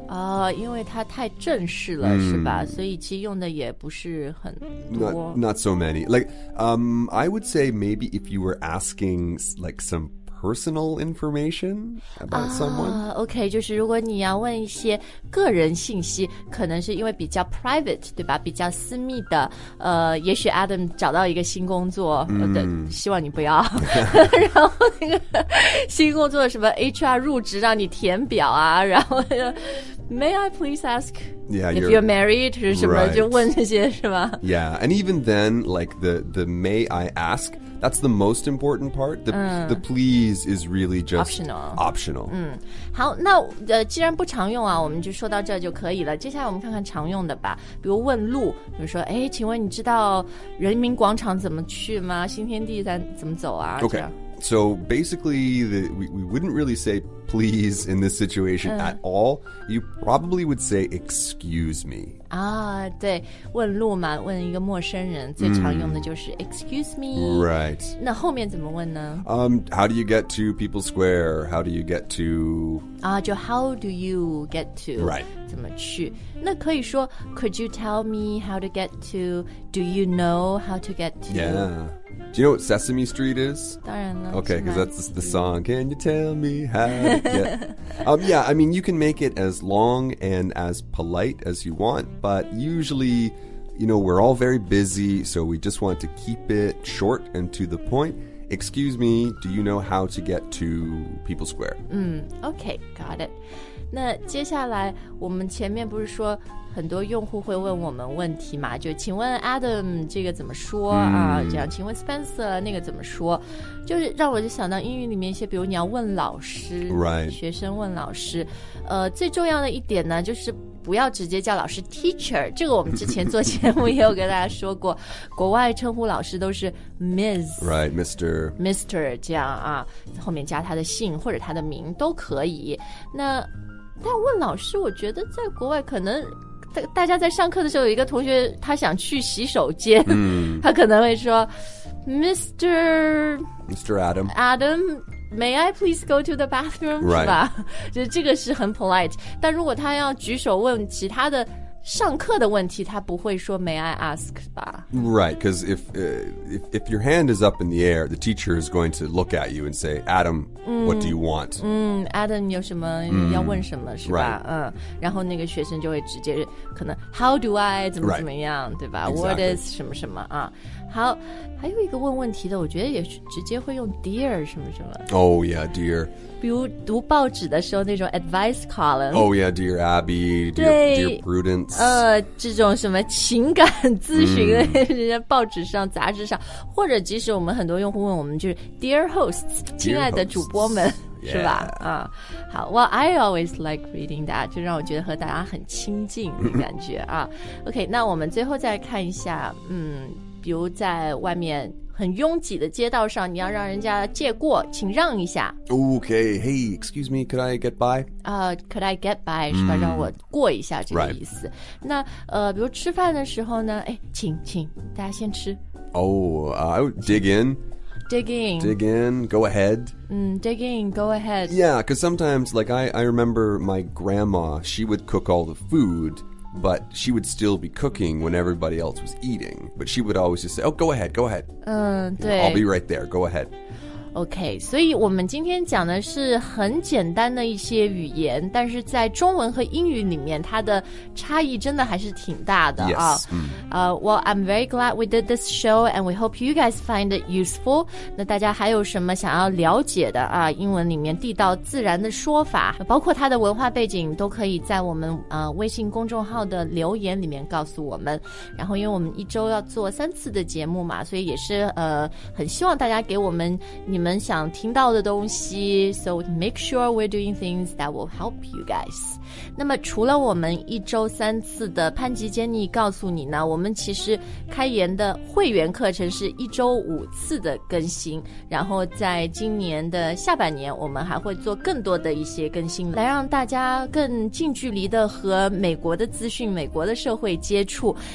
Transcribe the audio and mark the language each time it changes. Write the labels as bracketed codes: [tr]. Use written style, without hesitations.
[en] Oh, [zh] 因为它太正式了是吧？所以其实用的也不是很多。 [en] Not so many. Like, I would say maybe if you were asking like some personal information about someone. Okay, [zh] 就是如果你要问一些个人信息，可能是因为比较 private, 对吧？比较私密的。也许 Adam 找到一个新工作，希望你不要。然后那个新工作什么 HR 入职让你填表啊，然后 [en] May I please ask if you're married [zh] 是什么？就问这些是吧 [en] ？Yeah, and even then, like the May I ask. That's the most important part. The please is really just optional. [zh] 好，那既然不常用啊，我们就说到这就可以了。接下来我们看看常用的吧，比如问路，比如说，哎，请问你知道人民广场怎么去吗？新天地咱怎么走啊 [en] ？Okay. So basically, we wouldn't really say please in this situation at all. You probably would say excuse me. [zh] 啊，对，问路嘛，问一个陌生人，最常用的就是 [en] excuse me. Right. [zh] 那后面怎么问呢？ [en] How do you get to People Square? How do you get to? [zh] 啊，就 [en] how do you get to? Right. [zh] 怎么去？那可以说 [en] could you tell me how to get to? Do you know how to get to? Yeah. Do you know what Sesame Street is? [zh] 当然了。 [en] Okay, because that's the song. Can you tell me how to get... yeah, I mean, you can make it as long and as polite as you want, but usually, you know, we're all very busy, so we just want to keep it short and to the point. Excuse me, do you know how to get to People Square? Okay, got it. [zh] 那接下来我们前面不是说很多用户会问我们问题嘛，就请问 Adam 这个怎么说啊？这样，请问 Spencer 那个怎么说？就是让我就想到英语里面一些，比如你要问老师， [en] right. [zh] 学生问老师，最重要的一点呢，就是不要直接叫老师 teacher。这个我们之前做节目也有跟大家说过，国外称呼老师都是 Ms. [en] Right, Mr. Mr. [zh] 这样啊，后面加他的姓或者他的名都可以。那但问老师，我觉得在国外可能。大家在上课的时候有一个同学他想去洗手间他可能会说 Mr. Adam, [en] may I please go to the bathroom,、 right. [zh] 是吧就这个是很 polite, 但如果他要举手问其他的上课的问题他不会说 [en] may I ask [zh] 吧 [en] Right, because if your hand is up in the air, the teacher is going to look at you and say, Adam, what do you want? [zh] Adam, 有什么要问什么是吧、 [en] right. [zh] 然后那个学生就会直接可能 [en] how do I [zh] 怎么怎么样、 [en] right. [zh] 对吧、 [en] exactly. what is [zh] 什么什么啊好还有一个问问题的我觉得也直接会用 dear 什么什么 [en] Oh yeah, dear [zh] 比如读报纸的时候那种 [en] advice column. Oh yeah, dear Abby, dear Prudence. [zh] 这种什么情感咨询的人家报纸上、杂志上或者即使我们很多用户问我们就是 [en] dear hosts, [zh] 亲爱的主播们 [en] hosts, [zh] 是吧、 [en] yeah. [zh] 好 [en] well, I always like reading that, [zh] 就让我觉得和大家很亲近的感觉啊。 [en] OK, [zh] 那我们最后再看一下比如在外面很拥挤的街道上，你要让人家借过，请让一下。 [en] Okay, hey, excuse me, could I get by? Could I get by, [zh] 是吧，让我过一下这个意思。 [en] Right. [zh] 那比如吃饭的时候呢，哎，请大家先吃。 [en] I would dig in. Dig in, go ahead. Dig in, go ahead. Yeah, because sometimes, like, I remember my grandma, she would cook all the food, but she would still be cooking when everybody else was eating. But she would always just say, oh, go ahead. [zh] 对。 [en] I'll be right there, go ahead. Okay, [zh] 所以我们今天讲的是很简单的一些语言，但是在中文和英语里面，它的差异真的还是挺大的。 [en] Yes. Well, I'm very glad we did this show, and we hope you guys find it useful. [zh] 那大家还有什么想要了解的啊？英文里面地道自然的说法，包括它的文化背景，都可以在我们微信公众号的留言里面告诉我们。然后，因为我们一周要做三次的节目嘛，所以也是很希望大家给我们你们想听到的东西。 [en] So make sure we're doing things that will help you guys. [zh] 那么，除了我们一周三次的潘吉坚尼告诉你呢？我们其实开言的会员课程是一周五次的更新，然后在今年的下半年我们还会做更多的一些更新，来让大家更近距离的和美国的资讯、美国的社会接触。